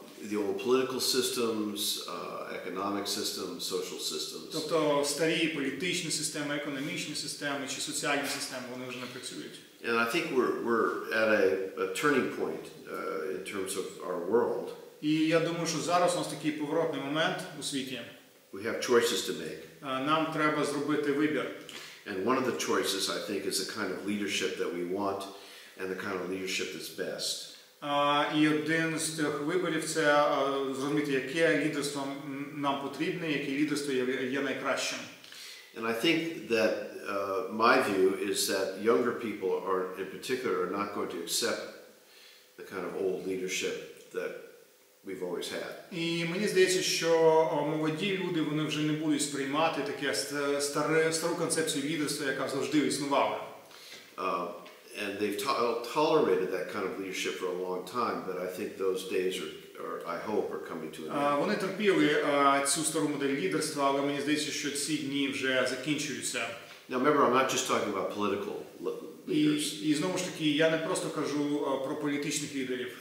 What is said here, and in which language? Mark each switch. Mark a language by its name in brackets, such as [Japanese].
[English] The old political systems, economic systems, social systems. [Ukrainian] Тобто старі політичні системи, економічні системи чи соціальні системи, вони вже не працюють. [English] And I think we're at a turning point in terms of our world. [Ukrainian] І я думаю, що зараз у нас такий поворотний момент у світі. [English] We have choices to make. [Ukrainian] Нам треба зробити вибір. [English] And one of the choices, I think, is the kind of leadership that we want and the kind of leadership that's best. [Ukrainian] І один з тих виборів – це зрозуміти, яке лідерство нам потрібне, яке лідерство є найкращим. [English] And I think that my view is that younger people are, in particular, are not going to accept the kind of old leadership that we've always had. [Ukrainian] І мені здається, що молоді люди, вони вже не будуть сприймати таке стару концепцію лідерства, яка завжди існувала. [English] And they've tolerated that kind of leadership for a long time, but I think those days are coming to an end. [Ukrainian] Вони терпіли цю стару модель лідерства, але мені здається, що ці дні вже закінчуються. [English] Now remember, I'm not just talking about political leaders. [Ukrainian] І знову ж таки, я не просто кажу про політичних лідерів.